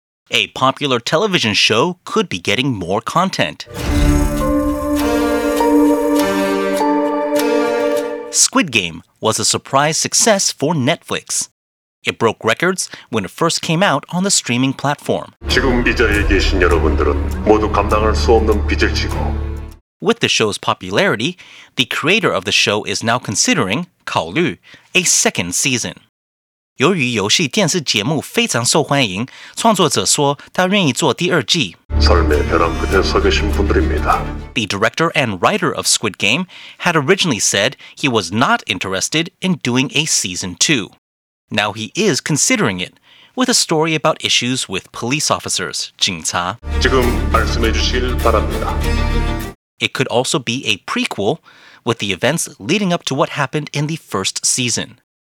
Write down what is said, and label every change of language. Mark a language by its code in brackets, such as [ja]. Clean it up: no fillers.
[en] A popular television show could be getting more content. Squid Game was a surprise success for Netflix. It broke records when it first came out on the streaming platform. [ko] 지금 이 자리에 계신 여러분들은 모두 감당할 수 없는 빚을 지고. [en] With the show's popularity, the creator of the show is now considering, 考虑, a second season. [zh] 由于游戏电视节目非常受欢迎, 创作者说他愿意做第二季。 [ko] 삶의 벼랑 끝에 서 계신 분들입니다. [en] The director and writer of Squid Game had originally said he was not interested in doing a season 2. Now he is considering it, with a story about issues with police officers, 警察. [ko] 지금 말씀해 주실 바랍니다. [en] It could also be a prequel, with the events leading up to what happened in the first season.